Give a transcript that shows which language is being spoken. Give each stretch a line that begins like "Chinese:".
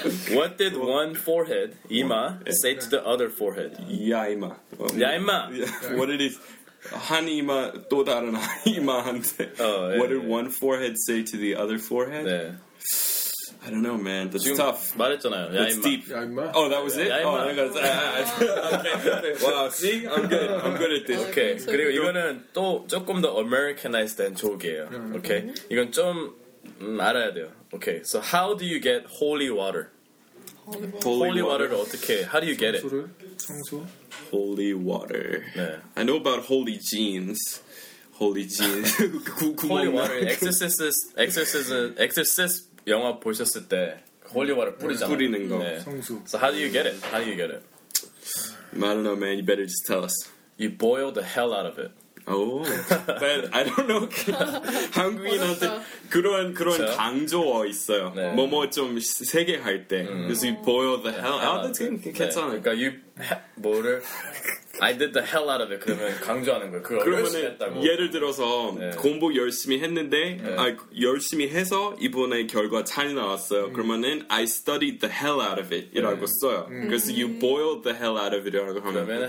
English: What did one forehead, 이마, say to the other forehead?
Korean: 야이마. 야이마.
English: What did it...
Korean: 한 이마 또 다른 이마한테.
English: What did one forehead say to the other forehead?
Korean: 네.
English: I don't know, man. That's tough.
Korean: 말했잖아요.
English: That's
Korean: 야이마.
English: Deep.
Korean: 야이마?
English: Oh, that was it?
Korean: 야이마.
English: Oh, my God. Okay. Wow, see? I'm good at this.
Korean: Okay. 그리고 이거는 또 조금 더 Americanized 된 조개예요.
English: Okay.
Korean: 이건 좀 알아야 돼요.
English: Okay. So how do you get holy water? Holy water를
Korean: 어떻게?
English: How do you get it?
Korean: 청소?
English: Holy water. 네. I know about holy jeans. Holy jeans.
Korean: holy water. Exorcist 영화 보셨을 때 holy water 뿌리잖아. 뿌리는 거. 네. 청소.
English: So how do you get it? How do you get it? I don't know, man. You better just tell us. You boil the hell out of it. Oh, but I don't know.
Korean: 한국인한테 그런 강조어 있어요. 네. 뭐뭐 좀 세게 할 때.
English: Because you boil the hell out of it.
Korean: 괜찮아. 그러니까
English: you
Korean: 뭐를
English: I did the hell out of it.
Korean: 그러면 강조하는 거예요. 그걸 그러면 예를 들어서 네. 공부 열심히 했는데 네. 아, 열심히 해서 이번에 결과 잘 나왔어요. 그러면은
English: I studied the hell out of it
Korean: 이라고 네. 써요. 그래서
English: you boiled the hell out of it
Korean: 이라고 하면